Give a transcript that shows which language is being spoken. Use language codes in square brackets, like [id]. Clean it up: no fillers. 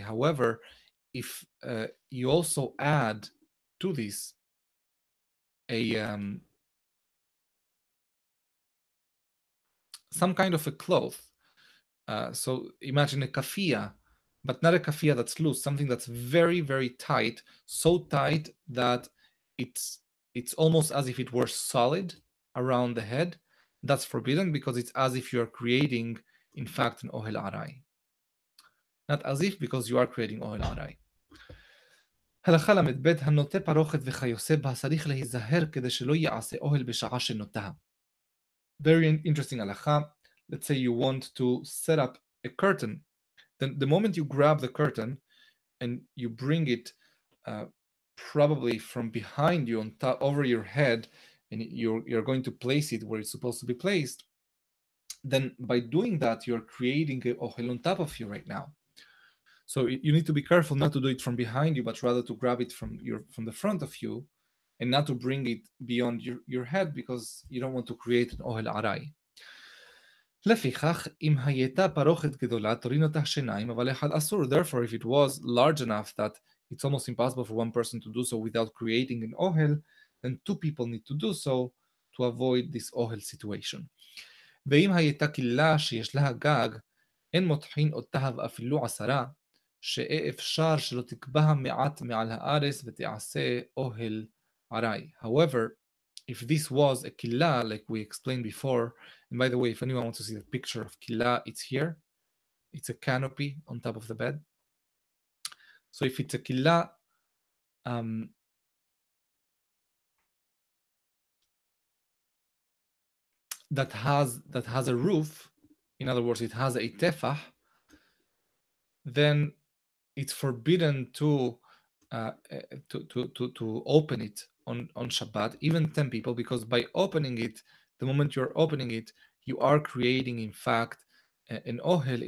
[en] However, if you also add to this some kind of a cloth, so imagine a kafia, but not a kafia that's loose, something that's very, very tight, so tight that it's almost as if it were solid around the head, that's forbidden because it's as if you are creating, in fact, an ohel arai. Not as if, because you are creating ohel arai. [he] הלכה למדבד, הנוטה פרוכת וחיוסה בה, צריך להיזהר כדי שלא יעשה אוהל בשעה שנוטה. [en] Very interesting הלכה. Let's say you want to set up a curtain. Then the moment you grab the curtain and you bring it probably from behind you on top, over your head, and you're going to place it where it's supposed to be placed, then by doing that, you're creating an ohel on top of you right now. So you need to be careful not to do it from behind you, but rather to grab it from the front of you and not to bring it beyond your head because you don't want to create an ohel arai. [he] לפיכך, אם הייתה פרוכת גדולה, תורין אותה שיניים, אבל אחד אסור. [en] Therefore, if it was large enough that it's almost impossible for one person to do so without creating an ohel, then two people need to do so to avoid this ohel situation. [he] ואם הייתה קילה שיש לה גג, אין מותחין אותה ואפילו עשרה, שאי אפשר שלא תקבע מעט מעל הארץ ותעשה אוהל ערי. [en] However, if this was a killa, like we explained before, and by the way, if anyone wants to see the picture of killa, it's here. It's a canopy on top of the bed. So if it's a killa, that has a roof, in other words, it has a tefah, then it's forbidden to open it on Shabbat, even 10 people, because by opening it, the moment you're opening it, you are creating, in fact, an ohel.